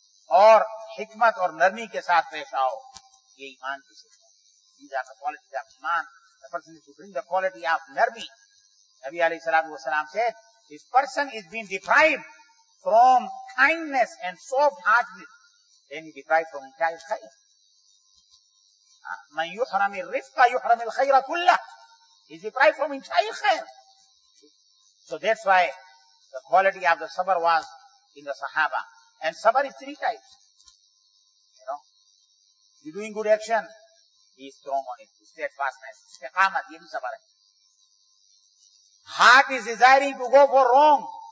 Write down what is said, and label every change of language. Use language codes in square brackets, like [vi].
[ur] Aur hikmat aur narmi ke saath pesh aao. Ye iman ki sifat. [en] These are the qualities of iman. The person is to bring the quality of narmi. Nabi alayhi salatu wasalam said, this person is being deprived from kindness and soft heartedness. Then he deprived from entire khair. [ar] من يحرم الرفق يحرم الخير كله [en] is deprived from entire khair. So that's why the quality of the sabr was in the sahaba. And sabr is three types. You know, you're doing good action, he is strong on it. Steadfastness, istiqamat, [ur] yeh bhi sabr hai. [en] Heart is desiring to go for wrong.